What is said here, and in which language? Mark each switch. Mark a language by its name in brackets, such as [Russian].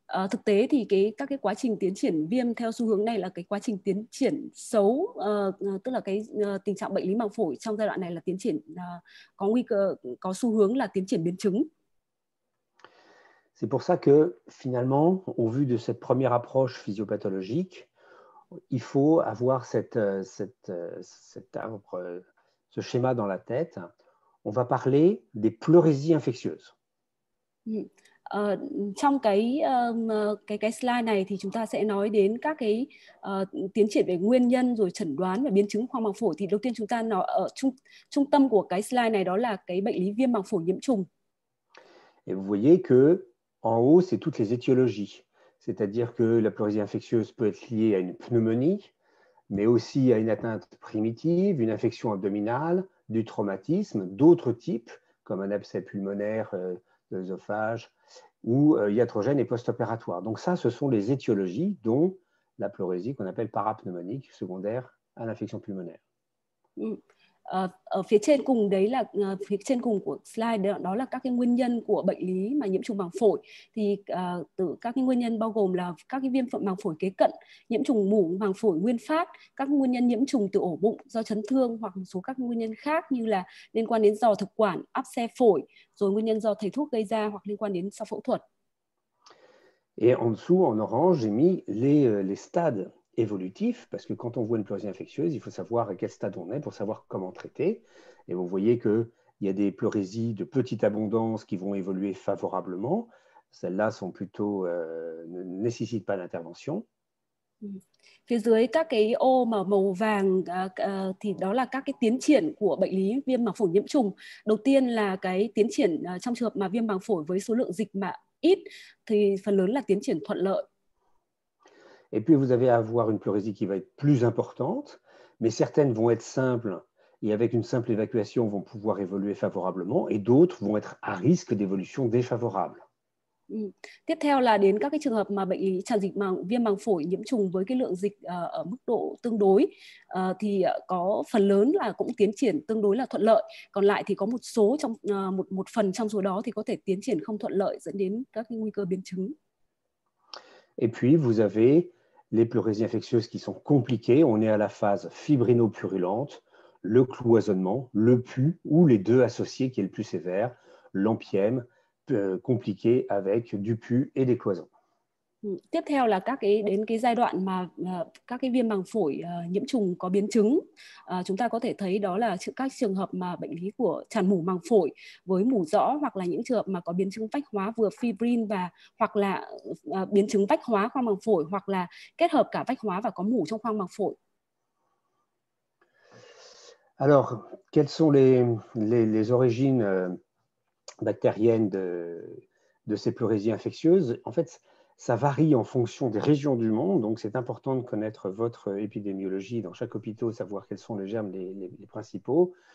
[Vietnamese] Thực tế thì các cái quá trình tiến triển viêm theo xu hướng này là cái quá trình tiến triển xấu, tức là cái tình trạng bệnh lý màng phổi trong giai đoạn này là tiến triển có nguy cơ, có xu hướng là tiến triển biến chứng. [French] C'est pour ça que finalement, au vu de cette première approche physiopathologique, il faut avoir ce schéma dans la tête. On va parler des pleurésies infectieuses. [Vietnamese] Trong cái slide này thì chúng ta sẽ nói đến các cái tiến triển về nguyên nhân rồi chẩn đoán và biến chứng khoang màng phổi. Thì đầu tiên chúng ta nói ở trung tâm của cái slide này đó là cái bệnh lý viêm màng phổi nhiễm trùng. [French] Et vous voyez que en haut, c'est toutes les étiologies, c'est-à-dire que la pleurésie infectieuse peut être liée à une pneumonie, mais aussi à une atteinte primitive, une infection abdominale, du traumatisme, d'autres types, comme un abcès pulmonaire, l'œsophage, ou iatrogène et post-opératoire. Donc ça, ce sont les étiologies, dont la pleurésie qu'on appelle parapneumonique, secondaire à l'infection pulmonaire. [Vietnamese] Ở phía trên cùng đấy là phía trên cùng của slide đó là các cái nguyên nhân của bệnh lý mà nhiễm trùng màng phổi thì từ các cái nguyên nhân bao gồm là các cái viêm màng phổi kế cận, nhiễm trùng mủ màng phổi nguyên phát, các nguyên nhân nhiễm trùng từ ổ bụng do chấn thương hoặc một số các nguyên nhân khác như là liên quan đến do thực quản, áp xe phổi, rồi nguyên nhân do thầy thuốc gây ra hoặc liên quan đến sau phẫu thuật. [French] Et en dessous en orange, j'ai mis les stades évolutif, parce que quand on voit une pleurésie infectieuse, il faut savoir à quel stade on est pour savoir comment traiter. Et vous voyez qu'il y a des pleurésies de petite abondance qui vont évoluer favorablement. Celles-là sont plutôt ne nécessitent pas d'intervention. [Vietnamese] Phía dưới các cái ô mà màu vàng thì đó là các cái tiến triển của bệnh lý viêm màng phổi nhiễm trùng. Đầu tiên là cái tiến triển trong trường hợp mà viêm màng phổi với số lượng dịch mà ít thì phần lớn là tiến triển thuận lợi. [French] Et puis, vous allez avoir une pleurésie qui va être plus importante, mais certaines vont être simples et avec une simple évacuation vont pouvoir évoluer favorablement et d'autres vont être à risque d'évolution défavorable. [Vietnamese] Tiếp theo là đến các cái trường hợp mà bệnh lý tràn dịch màng viêm màng phổi nhiễm trùng với cái lượng dịch ở mức độ tương đối thì có phần lớn là cũng tiến triển tương đối là thuận lợi, còn lại thì có một số trong một phần trong số đó thì có thể tiến triển không thuận lợi dẫn đến các cái nguy cơ biến chứng. [French] Et puis, vous avez les pleurésies infectieuses qui sont compliquées. On est à la phase fibrino-purulente, le cloisonnement, le pus ou les deux associés qui est le plus sévère, l'empyème compliqué avec du pus et des cloisons. [Vietnamese] Tiếp theo là đến cái giai đoạn mà các cái viêm màng phổi nhiễm trùng có biến chứng. Chúng ta có thể thấy đó là các trường hợp mà bệnh lý của tràn mủ màng phổi với mủ rõ hoặc là những trường hợp mà có biến chứng vách hóa vừa fibrin và hoặc là biến chứng vách hóa khoang màng phổi hoặc là kết hợp cả vách hóa và có mủ trong khoang màng phổi. [French] Alors, quelles sont les origines bactériennes de ces pleurésies infectieuses? En fait, ça varie en fonction des régions du monde, donc c'est important de connaître votre épidémiologie dans chaque hôpital, savoir quels sont les germes les principaux.